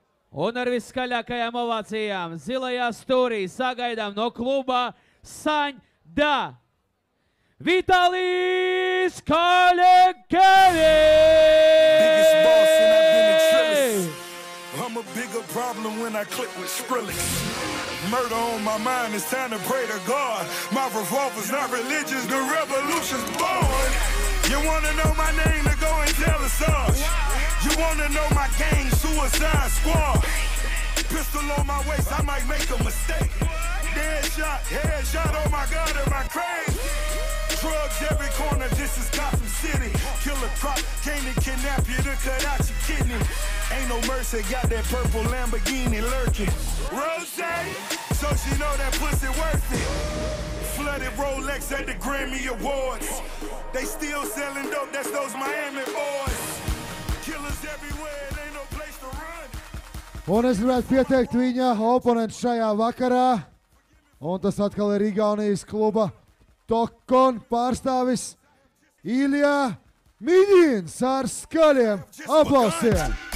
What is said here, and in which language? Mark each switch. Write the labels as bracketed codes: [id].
[lv] Un ar viskaļākajām ovācijām zilajā stūrī sagaidām no klubā Saņda Vitalijs Kaļekevičs! [en] Murder on my mind, it's time to pray to God. My revolver's not religious, the revolution's born. You wanna know my name, then go and tell us all. You wanna know my gang, Suicide Squad. Pistol on my waist, I might make a mistake. Dead shot, head shot, oh my God, am I crazy? Drugs every corner, this is Gotham City. Killer croc, came to kidnap you to cut out your kidney. Ain't no mercy, got that purple Lamborghini lurking. Rosé, so she know that pussy worth it. Flooded Rolex at the Grammy Awards. They still selling dope, that's those Miami boys. Killers everywhere, it ain't no place to run. [lv] Un es gribētu pieteikt viņa oponents šajā vakarā. Un tas atkal ir Igaunijas kluba Tokkon pārstāvis Ilja Miļins ar skaļiem aplausiem.